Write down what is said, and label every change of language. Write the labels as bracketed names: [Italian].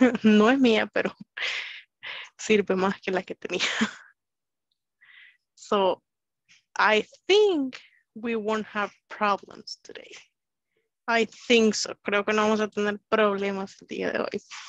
[Spanish] No es mía, pero sirve más que la que tenía. [English] So, I think we won't have problems today. I think so. [Spanish] Creo que no vamos a tener problemas el día de hoy.